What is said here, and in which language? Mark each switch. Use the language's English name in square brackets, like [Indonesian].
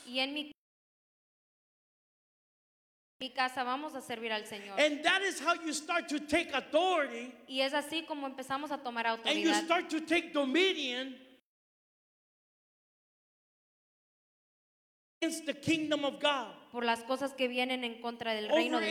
[Spanish] y en mi casa vamos a servir al Señor. [English] And that is how you start to take authority. [Spanish] Y es así como empezamos a tomar autoridad. [English] And you start to take dominion against the kingdom of God. [Spanish] Por las cosas que vienen en contra del reino del Señor.